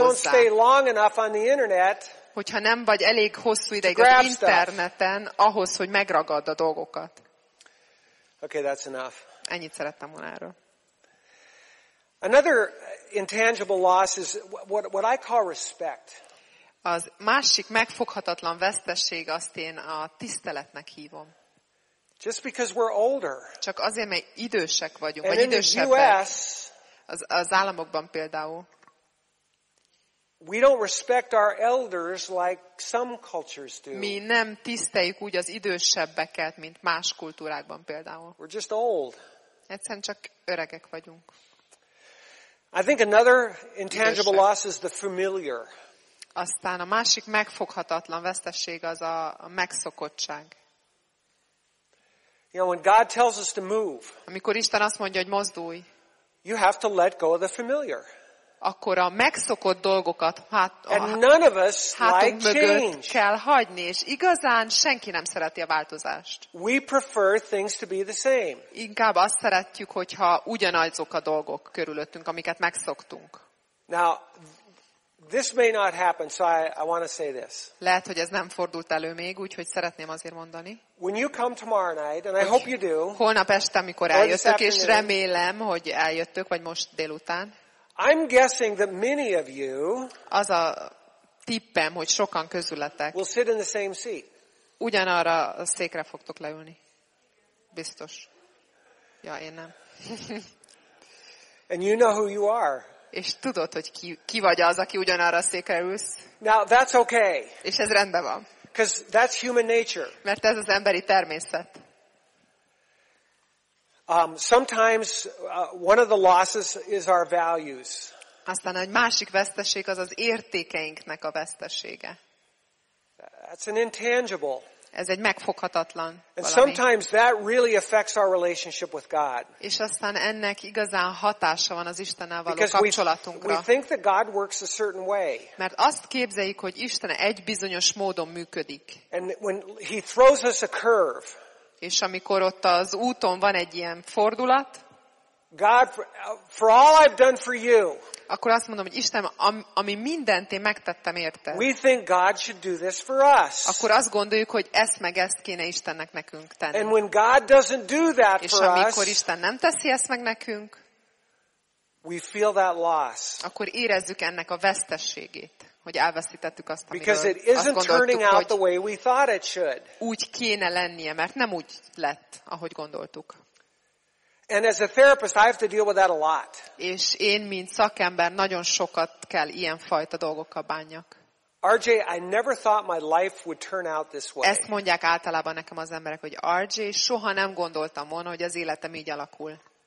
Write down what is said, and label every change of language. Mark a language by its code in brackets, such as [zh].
[en] We don't stay long enough on the internet. [hu] Hogyha nem vagy elég hosszú ideig az interneten, ahhoz, hogy megragadd a dolgokat. [en] Okay, that's enough. [hu] Ennyit szerettem volna erről. [en] Another intangible loss is what I call respect. [hu] Az másik megfoghatatlan veszteség, azt én a tiszteletnek hívom. [en] Just because we're older. [hu] Csak azért, mert idősek vagyunk, vagy idősebbek. Az államokban például. [en] We don't respect our elders like some cultures do. [hu] Mi nem tiszteljük úgy az idősebbeket, mint más kultúrákban például. [en] We're just old. [hu] Egyszerűen csak öregek vagyunk. [en] I think another intangible loss is the familiar. [hu] Aztán a másik megfoghatatlan veszteség az a megszokottság. [en] You know, when God tells us to move. [hu] Amikor Isten azt mondja, hogy mozdulj. [en] You have to let go of the familiar. [hu] Akkor a megszokott dolgokat hátunk mögött kell hagyni, és igazán senki nem szereti a változást. [en] We prefer things to be the same. [hu] Inkább azt szeretjük, hogyha ugyanazok a dolgok körülöttünk, amiket megszoktunk. [en] Now, this may not happen, so I want to say this. [hu] Lehet, hogy ez nem fordult elő még, úgyhogy szeretném azért mondani. [en] When you come tomorrow night, and I hope you do. [hu] Holnap este, amikor eljöttök, és remélem, hogy eljöttök, vagy most délután. [en] I'm guessing that many of you [hu] az a tippem, hogy sokan közületek [en] will sit in the same seat. [hu] Ugyanarra a székre fogtok leülni. Biztos. Ja, én nem. [en] And you know who you are. [hu] És tudod, hogy ki vagy az, aki ugyanarra a székre ülsz. [en] Now, that's okay. [hu] És ez rendben van. [en] 'Cause that's human nature. [hu] Mert ez az emberi természet. [en] Sometimes one of the losses is our values. [hu] Aztán egy másik veszteség az az értékeinknek a vesztesége. [en] That's an intangible. [hu] Ez egy megfoghatatlan valami. [en] And sometimes that really affects our relationship with God. [hu] És aztán ennek igazán hatása van az Istennel való kapcsolatunkra. [en] We think that God works a certain way. [hu] Mert azt képzeljük, hogy Isten egy bizonyos módon működik. [en] And when he throws us a curve. [hu] És amikor ott az úton van egy ilyen fordulat, [en] God, for all I've done for you, [hu] akkor azt mondom, hogy Isten, ami mindent én megtettem érte, [en] we think God should do this for us. [hu] Akkor azt gondoljuk, hogy ezt meg ezt kéne Istennek nekünk tenni. [en] And when God doesn't do that [hu] és amikor Isten nem teszi ezt meg nekünk, [en] we feel that loss. [hu] Akkor érezzük ennek a vesztességét. Hogy elveszítettük azt, amiről úgy kéne lennie, mert nem úgy lett, ahogy gondoltuk. [en] And as a therapist, I have to deal with that a lot. [hu] És én, mint szakember, nagyon sokat kell ilyenfajta dolgokkal bánjak. [en] RJ, I never thought my life would turn out this way. [hu] Ezt mondják általában nekem az emberek, hogy RJ, soha nem gondoltam volna, hogy az életem így alakul.